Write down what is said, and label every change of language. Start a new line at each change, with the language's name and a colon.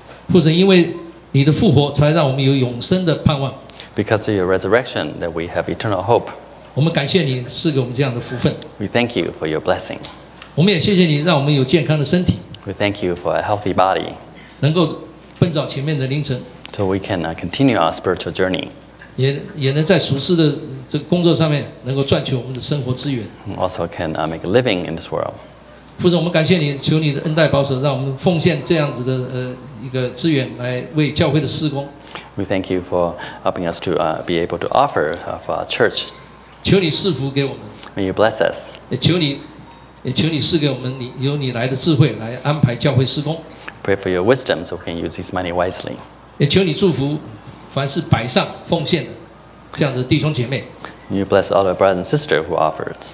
Chinese: 父神，因为你的复活，才让我们有永生的盼望。
English: Because of your resurrection, that we have eternal hope.
Chinese: 我们感谢你赐给我们这样的福分。
English: We thank you for your blessing.
Chinese: 我们也谢谢你让我们有健康的身体。
English: We thank you for a healthy body.
Chinese: 能够奔走前面的凌晨。
English: So we can continue our spiritual journey.
Chinese: 也能在属世的这个工作上面能够赚取我们的生活资源。
English: Also can make a living in this world.
Chinese: 父神，我们感谢你，求你的恩待保守，让我们奉献这样子的一个资源来为教会的事工。
English: We thank you for helping us to be able to offer for our church.
Chinese: 求你赐福给我们。
English: May you bless us.
Chinese: 也求你赐给我们由你来的智慧来安排教会事工。
English: Pray for your wisdom so we can use this money wisely.
Chinese: 也求你祝福凡是摆上奉献的这样的弟兄姐妹。
English: You bless all the brothers and sisters who offered.